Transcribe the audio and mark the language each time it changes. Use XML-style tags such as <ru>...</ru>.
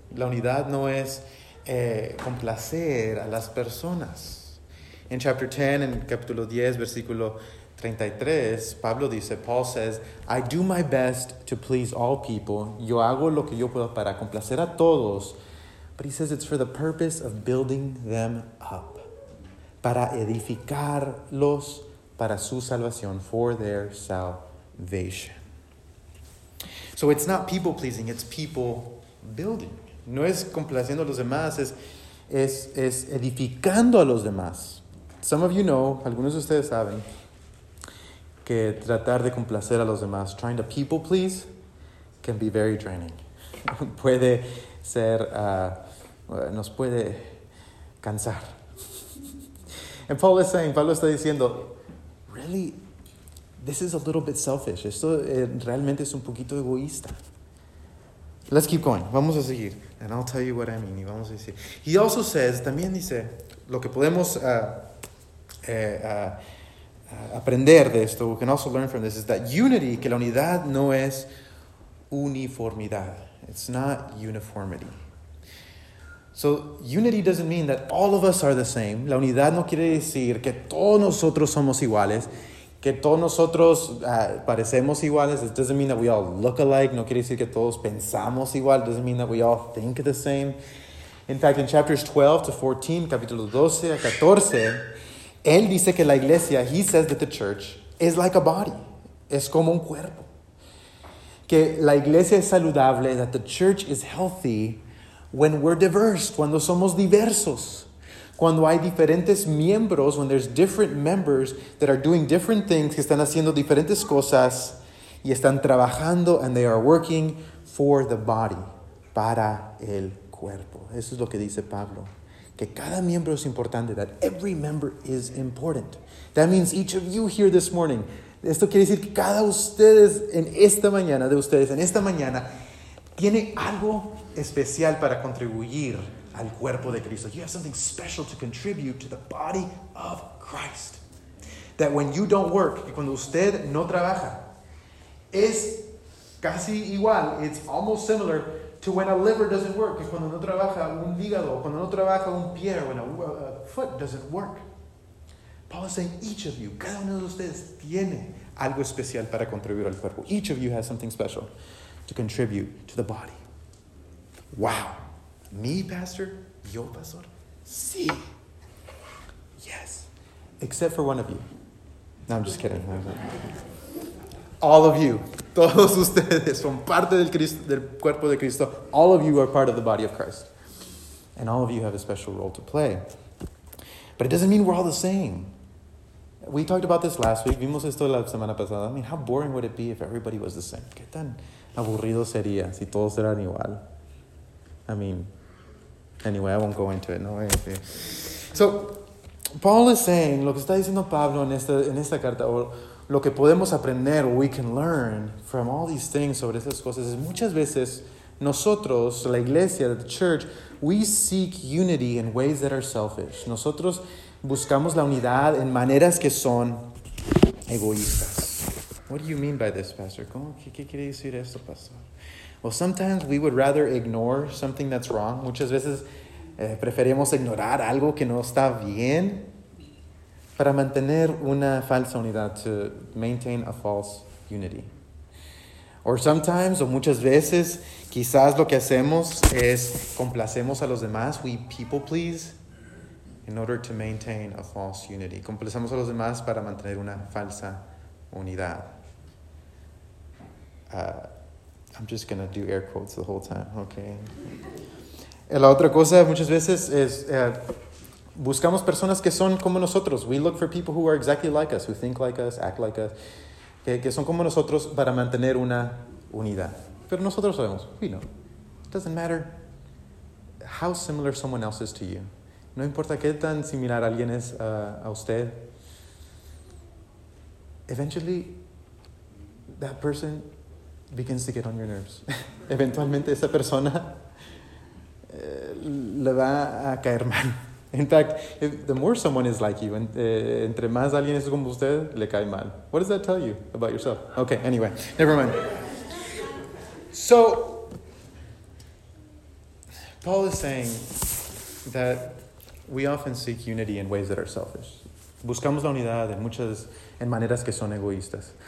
<es>La unidad no es complacer a las personas.</es> <en>In chapter 10, in</en> <es>capítulo 10, versículo 33, Pablo dice,</es> <en>Paul says, I do my best to please all people.</en> <es>Yo hago lo que yo puedo para complacer a todos.</es> <en>But he says it's for the purpose of building them up.</en> <es>Para edificarlos para su salvación,</es> <en>for their salvation. So it's not people pleasing, it's people building.</en> <es>No es complaciendo a los demás, es edificando a los demás.</es> <en>Some of you know,</en> <es>algunos de ustedes saben, que tratar de complacer a los demás,</es> <en>trying to people please, can be very draining.</en> <es>Puede ser, nos puede cansar.</es> <en>And Paul is saying,</en> <es>Pablo está diciendo,</es> <en>really, this is a little bit selfish.</en> <es>Esto realmente es un poquito egoísta.</es> <en>Let's keep going.</en> <es>Vamos a seguir.</es> <en>And I'll tell you what I mean.</en> <es>Y vamos a decir.</es> <en>He also says,</en> <es>también dice, lo que podemos aprender de esto,</es> <en>we can also learn from this, is that unity,</en> <es>que la unidad no es uniformidad.</es> <en>It's not uniformity. So, unity doesn't mean that all of us are the same.</en> <es>La unidad no quiere decir que todos nosotros somos iguales, que todos nosotros parecemos iguales.</es> <en>It doesn't mean that we all look alike.</en> <es>No quiere decir que todos pensamos igual.</es> <en>It doesn't mean that we all think the same. In fact, in chapters 12 to 14,</en> <es>capítulos 12 a 14, él dice que la iglesia,</es> <en>he says that the church is like a body.</en> <es>Es como un cuerpo. Que la iglesia es saludable,</es> <en>that the church is healthy when we're diverse,</en> <es>cuando somos diversos. Cuando hay diferentes miembros,</es> <en>when there's different members that are doing different things,</en> <es>que están haciendo diferentes cosas y están trabajando,</es> <en>and they are working for the body,</en> <es>para el cuerpo. Eso es lo que dice Pablo. Que cada miembro es importante,</es> <en>that every member is important. That means each of you here this morning.</en> <es>Esto quiere decir que cada ustedes en esta mañana, de ustedes en esta mañana, tiene algo especial para contribuir al cuerpo de Cristo.</es> <en>You have something special to contribute to the body of Christ. That when you don't work,</en> <es>que cuando usted no trabaja, es casi igual,</es> <en>it's almost similar to when a liver doesn't work,</en> <es>que cuando no trabaja un hígado, cuando no trabaja un pie,</es> <en>when a foot doesn't work. Paul is saying, each of you,</en> <es>cada uno de ustedes tiene algo especial para contribuir al cuerpo.</es> <en>Each of you has something special to contribute to the body. Wow. Me, pastor?</en> <es>Yo, pastor? Sí.</es> <en>Yes. Except for one of you. No, I'm just kidding. All of you.</en> <es>Todos ustedes son parte del, Cristo, del cuerpo de Cristo.</es> <en>All of you are part of the body of Christ. And all of you have a special role to play. But it doesn't mean we're all the same. We talked about this last week.</en> <es>Vimos esto la semana pasada.</es> <en>I mean, how boring would it be if everybody was the same?</en> <es>¿Qué tan aburrido sería si todos eran igual?</es> <en>I mean, anyway, I won't go into it. No way. So, Paul is saying,</en> <es>lo que está diciendo Pablo en esta carta, o lo que podemos aprender,</es> <en>we can learn from all these things</en> <es>sobre esas cosas, es muchas veces nosotros, la iglesia,</es> <en>the church, we seek unity in ways that are selfish.</en> <es>Nosotros buscamos la unidad en maneras que son egoístas.</es> <en>What do you mean by this, pastor?</en> <es>¿Cómo? ¿Qué quiere decir esto, pastor?</es> <en>Well, sometimes we would rather ignore something that's wrong.</en> <es>Muchas veces preferimos ignorar algo que no está bien para mantener una falsa unidad,</es> <en>to maintain a false unity. Or sometimes,</en> <es>o muchas veces, quizás lo que hacemos es complacemos a los demás.</es> <en>We people please in order to maintain a false unity.</en> <es>Complacemos a los demás para mantener una falsa unidad.</es> <en>I'm just going to do air quotes the whole time, okay?</en> <es>La otra cosa muchas veces es buscamos personas que son como nosotros.</es> <en>We look for people who are exactly like us, who think like us, act like us,</en> <es>que son como nosotros para mantener una unidad. Pero nosotros sabemos,</es> <en>we know. It doesn't matter how similar someone else is to you.</en> <es>No importa qué tan similar alguien es a usted.</es> <en>Eventually, that person begins to get on your nerves.</en> <es>Eventualmente esa persona le va a caer mal.</es> <en>In fact, if, the more someone is like you,</en> <es>entre más alguien es como usted, le cae mal.</es> <en>What does that tell you about yourself? Okay, anyway, never mind. So, Paul is saying that we often seek unity in ways that are selfish.</en> <es>Buscamos la unidad en muchas, en maneras que son egoístas.</es>